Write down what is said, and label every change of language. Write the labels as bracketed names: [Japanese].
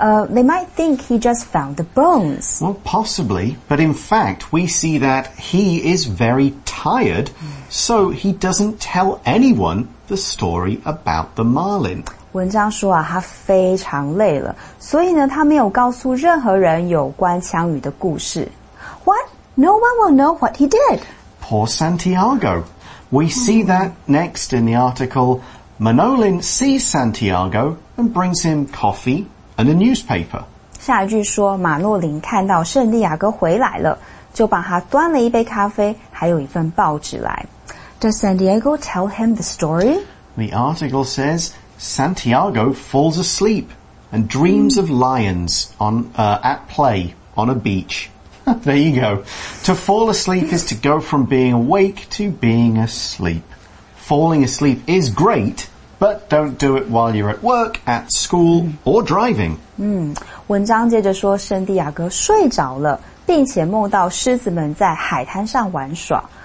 [English] They might think he just found the bones. Well, possibly. But in fact, we see that he is very tired, so he doesn't tell anyone the story about the marlin. [Chinese] 文章说啊，他非常累了，所以呢，他没有告诉任何人有关枪鱼的故事。 [English] What? No one will know what he did. Poor Santiago. We see that next in the article, Manolin sees Santiago and brings him coffee and a newspaper. [Chinese] 下一句说马诺林看到圣地亚哥回来了就把他端了一杯咖啡还有一份报纸来。 [English] Does San Diego tell him the story? The article says, Santiago falls asleep and dreams of lions at play on a beach. There you go. To fall asleep is to go from being awake to being asleep. Falling asleep is great, but don't do it while you're at work, at school, or driving. [Chinese] 文章接着说圣地亚哥睡着了并且梦到狮子们在海滩上玩耍。